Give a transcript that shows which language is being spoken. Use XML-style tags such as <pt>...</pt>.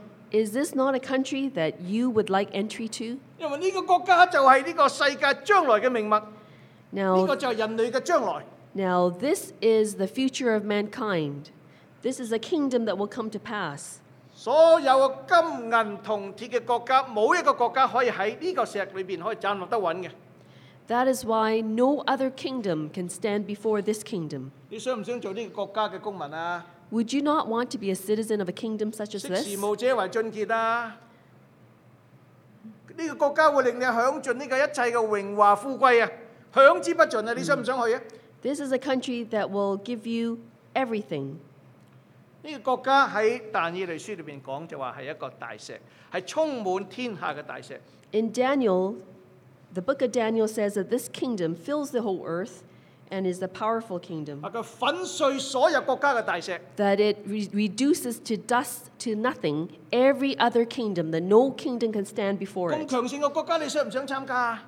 <en>Is this not a country that you would like entry to? Now, this is the future of mankind. This is a kingdom that will come to pass.</en> <yue>所有嘅金銀銅鐵嘅國家，冇一個國家可以喺呢個石裏邊可以站立得穩嘅。</yue> <en>That is why no other kingdom can stand before this kingdom.</en> <yue>你想唔想做呢個國家嘅公民啊</yue> <en>？Would you not want to be a citizen of a kingdom such as this？</en> <yue>識時務者為俊傑啊！呢個國家會令你享盡呢個一切嘅榮華富貴啊，享之不盡啊！你想唔想去啊</yue> <en>？This is a country that will give you everything.</en> <yue>呢個國家喺但以理書裏邊講就話係一個大石，係充滿天下嘅大石。</yue> <en>In Daniel, The book of Daniel says that this kingdom fills the whole earth and is a powerful kingdom. That it reduces to dust, to nothing, every other kingdom, that no kingdom can stand before it.</en>